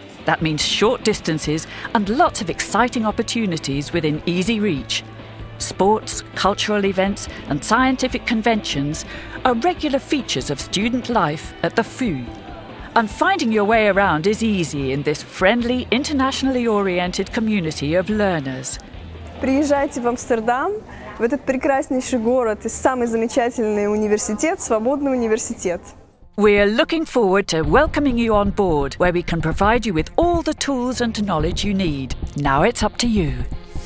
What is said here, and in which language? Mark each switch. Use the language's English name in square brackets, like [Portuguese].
[English] That means short distances and lots of exciting opportunities within easy reach. Sports, cultural events, and scientific conventions are regular features of student life at the Foo. And finding your way around is easy in this friendly, internationally oriented community of learners. [Russian] Приезжайте в Амстердам. В этот прекраснейший город и самый замечательный университет, свободный университет. [English] We are looking forward to welcoming you on board, where we can provide you with all the tools and knowledge you need. Now it's up to you.